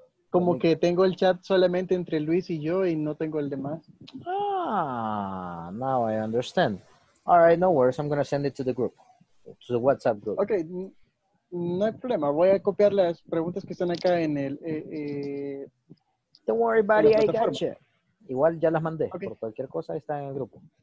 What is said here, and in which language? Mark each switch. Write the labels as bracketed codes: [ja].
[es] como que tengo el chat solamente entre Luis y yo y no tengo el demás. [en] Ah, now I understand. All right, no worries. I'm going to send it to the group, to the WhatsApp group. [es] Okay. No hay problema. Voy a copiar las preguntas que están acá en el... [en] Don't worry, buddy. I got you. [es] Igual ya las mandé. Okay. Por cualquier cosa está en el grupo.